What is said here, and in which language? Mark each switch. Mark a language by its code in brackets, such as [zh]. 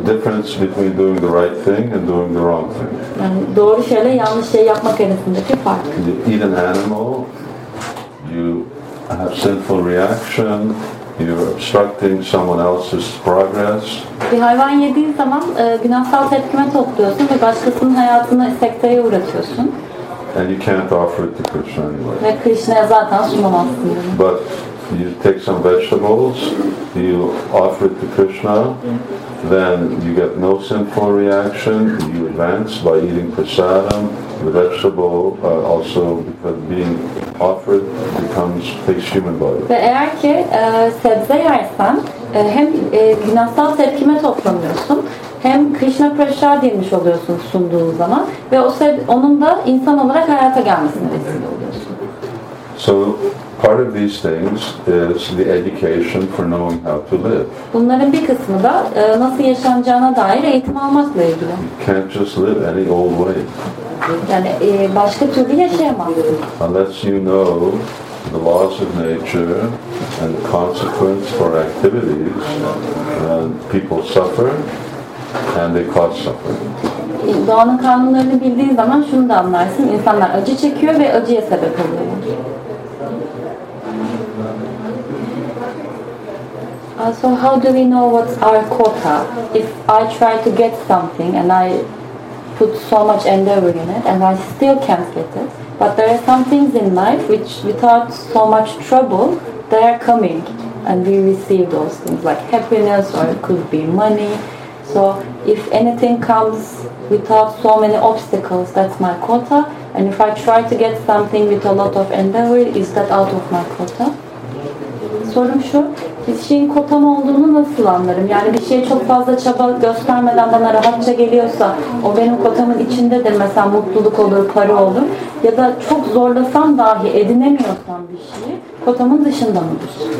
[en] The difference between doing the right thing and doing the wrong thing. [tr] Yani doğru şeyle yanlış şey yapmak arasındaki fark. [en] You eat an animal, you have sinful reaction, you're obstructing someone else's progress. [tr] Bir hayvan yediğin zaman günahsal tepkime topluyorsun ve başkasının hayatını sekteye uğratıyorsun. [en] And you can't offer it to Krishna anyway. [tr] Ve Krishna'ya zaten sunamazsın. [en] But you take some vegetables, you offer it to Krishna, then you get no sinful reaction, you advance by eating prasadam. The vegetable also because being offered becomes takes human body. [tr] Ve eğer ki sebze yersen, hem günahsal tepkime toplanıyorsun, hem Krishna prasad yemiş oluyorsun sunduğun zaman ve onun da insan olarak hayata gelmesine vesile oluyorsun. [en] So part of these things is the education for knowing how to live. [tr] Bunların bir kısmı da nasıl yaşanacağına dair eğitim almakla ilgili. [en] You can't just live any old way. [tr] Yani başka türlü yaşayamazsın. [en] Unless you know the laws of nature and the consequence for activities, then people suffer and they cause suffering. [tr] Doğanın kanunlarını bildiğin zaman şunu da anlarsın. İnsanlar acı çekiyor ve acıya sebep oluyor. [en] So how do we know what's our quota? If I try to get something and I put so much endeavor in it and I still can't get it, but there are some things in life which without so much trouble, they are coming and we receive those things like happiness or it could be money. So if anything comes without so many obstacles, that's my quota. And if I try to get something with a lot of endeavor, is that out of my quota? [tr] Sorum şu, bir şeyin kotam olduğunu nasıl anlarım? Yani bir şeye çok fazla çaba göstermeden bana rahatça geliyorsa, o benim kotamın içinde de mesela mutluluk olur, para olur. Ya da çok zorlasam dahi edinemiyorsam bir şeyi, kotamın dışında mıdır?